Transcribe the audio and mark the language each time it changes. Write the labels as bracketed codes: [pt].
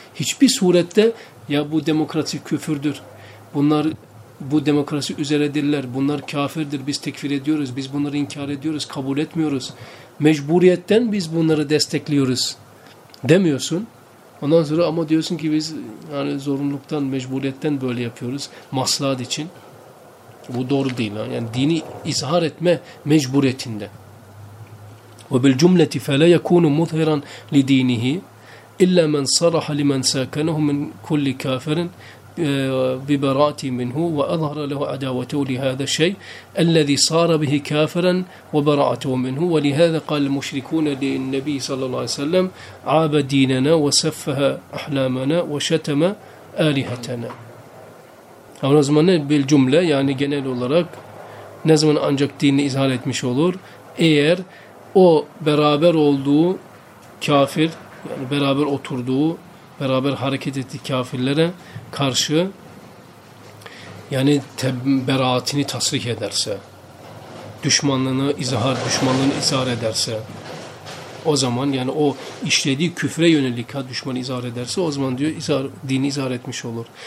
[tr] Hiçbir surette ya bu demokrasi küfürdür, bunlar bu demokrasi üzeredirler, bunlar kafirdir, biz tekfir ediyoruz, biz bunları inkar ediyoruz, kabul etmiyoruz, mecburiyetten biz bunları destekliyoruz demiyorsun. Ondan sonra ama diyorsun ki biz yani zorunluluktan, mecburiyetten böyle yapıyoruz, maslahat için. Bu doğru değil. Yani dini izhar etme mecburiyetinde. [ar] وَبِالْجُمْلَةِ فَلَا يَكُونُ مُظْهِرًا لِد۪ينِهِ اِلَّا مَنْ صَرَحَ لِمَنْ سَاكَنَهُ مِنْ كُلِّ كَافِرٍ ببراءته منه وأظهر له عداوته لهذا الشيء الذي صار به كافرا وبراءته منه ولهذا قال المشركون للنبي صلى الله عليه وسلم عاب ديننا وسفه أحلامنا وشتم آلهتنا أو نزمن بالجملة يعني [tr] genel olarak ne zaman ancak dinini izhar etmiş olur eğer o beraber olduğu kafir yani beraber oturduğu beraber hareket ettiği kafirlere karşı yani beraatini tasrih ederse, düşmanlığını izhar ederse, o zaman yani o işlediği küfre yönelik düşmanı izhar ederse, o zaman diyor dini izhar etmiş olur.